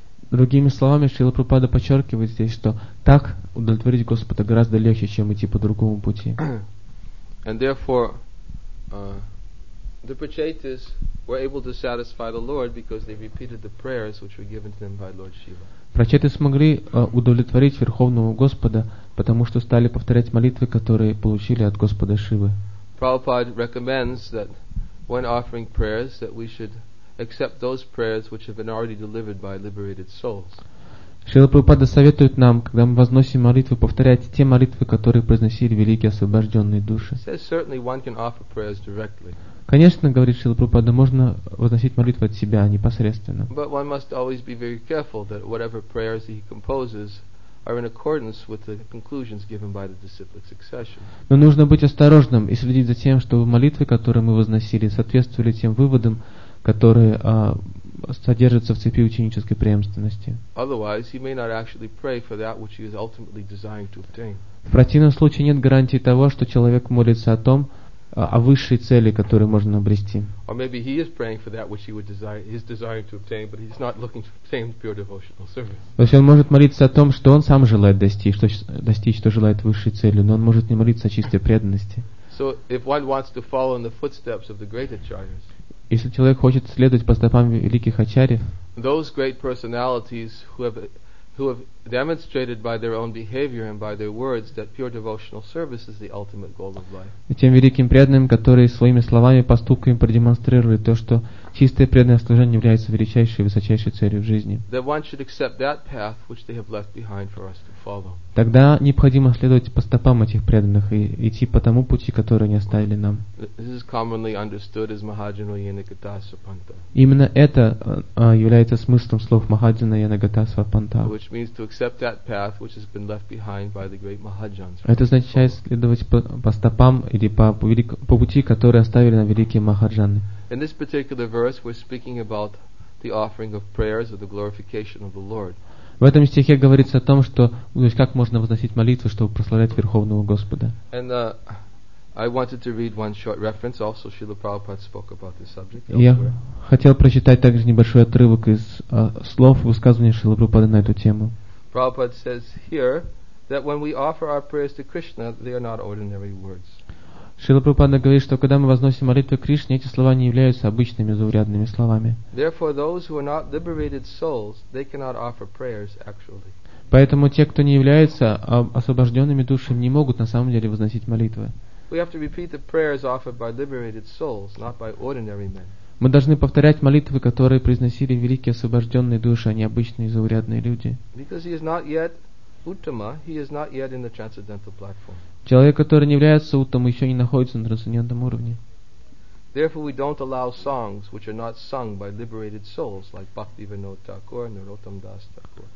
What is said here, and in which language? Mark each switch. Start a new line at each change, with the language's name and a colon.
Russian: Другими словами, Шрила Прабхупада подчеркивает здесь, что так удовлетворить Господа гораздо легче, чем идти по другому пути.
English: And therefore, the Prachetas were able to satisfy the Lord because they repeated the prayers which were given to them by Lord Shiva.
Russian: Прачеты смогли удовлетворить Верховного Господа, потому что стали повторять молитвы, которые получили от Господа Шивы.
English: Prabhupada recommends that when offering prayers that we should except those prayers which have been already delivered by liberated souls.
Russian: Шрила Прабхупада советует нам, когда мы возносим молитвы, повторять те молитвы, которые произносили великие освобожденные души.
English: Says certainly one can offer prayers directly.
Russian: Конечно, говорит Шрила Прабхупада, можно возносить молитвы от себя непосредственно.
English: But one must always be very careful that whatever prayers he composes are in accordance with the conclusions given by the disciplic succession.
Russian: Но нужно быть осторожным и следить за тем, чтобы молитвы, которые мы возносили, соответствовали тем выводам, которые содержатся в цепи ученической преемственности.
English: Otherwise, he may not actually pray for that which he is ultimately designed to obtain.
Russian: В противном случае нет гарантии того, что человек молится о том, о высшей цели, которую можно обрести.
English: Or maybe he is praying for that which he would desire, he is desiring to obtain, but he's not looking to obtain pure devotional service.
Russian: То есть он может молиться о том, что он сам желает достичь, что желает высшей цели, но он может не молиться о чистой преданности.
English: So if one wants to follow in the footsteps of the great acharyas.
Russian: Если человек хочет следовать по стопам великих ачарьев,
English: those great personalities who have demonstrated by their own behavior and by their words that pure devotional service is the ultimate goal of life.
Russian: И тем великим преданным, которые своими словами и поступками продемонстрировали то, что чистое преданное служение является величайшей и высочайшей целью в жизни,
English: then one should accept that path which they have left behind for us to follow.
Russian: Тогда необходимо следовать по стопам этих преданных и идти по тому пути, который они оставили нам.
English: This is commonly understood as
Sanskrit: Mahajana Yanagata Svapanta.
Russian: Именно это является смыслом слов
Sanskrit: Mahajana Yanagata Svapanta,
English: which means to accept that path which has been left behind by the great Mahajans.
Russian: Это означает следовать по стопам или по пути, который оставили нам великие Махаджаны.
English: In this particular verse we're speaking about the offering of prayers or the glorification of the Lord.
Russian: В этом стихе говорится о том, что, то есть как можно возносить молитву, чтобы прославлять Верховного Господа.
English: And I wanted to read one short reference. Also, Srila Prabhupada spoke about this subject elsewhere.
Russian: Я хотел прочитать также небольшой отрывок из слов высказывания Шрилы Прабхупады на эту тему.
English: Prabhupada says here that when we offer our prayers to Krishna, they are not ordinary words.
Russian: Шрила Прабхупада говорит, что когда мы возносим молитву Кришне, эти слова не являются обычными заурядными словами.
English: Therefore, those who are not liberated souls, they cannot offer prayers actually.
Russian: Поэтому те, кто не являются освобожденными душами, не могут на самом деле возносить молитвы. Мы должны повторять молитвы, которые произносили великие освобожденные души, а не обычные заурядные люди. Человек, который не является уттам, еще не находится на трансцендентном уровне.
English: Therefore, we don't allow songs which are not sung by liberated souls like Bhaktivinoda Thakur, Narottam Das Thakur.